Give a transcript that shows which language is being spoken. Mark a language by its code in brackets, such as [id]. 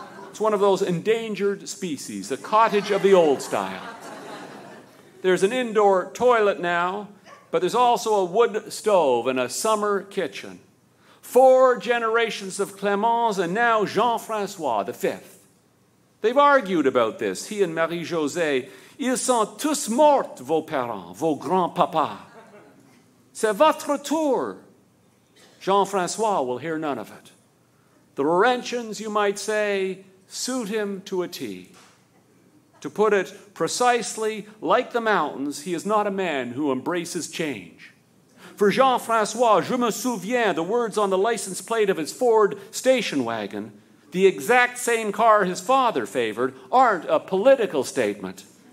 [en] It's one of those endangered species, a cottage of the old style. There's an indoor toilet now, but there's also a wood stove and a summer kitchen. Four generations of Clémence and now Jean-François the fifth. They've argued about this, he and Marie-Josée. [fr] Ils sont tous morts, vos parents, vos grands-papas. C'est votre tour. [en] Jean-François will hear none of it. The Laurentians, you might say, suit him to a T. To put it precisely, like the mountains, he is not a man who embraces change. For Jean-François, [fr] je me souviens, [en] the words on the license plate of his Ford station wagon, the exact same car his father favored, aren't a political statement.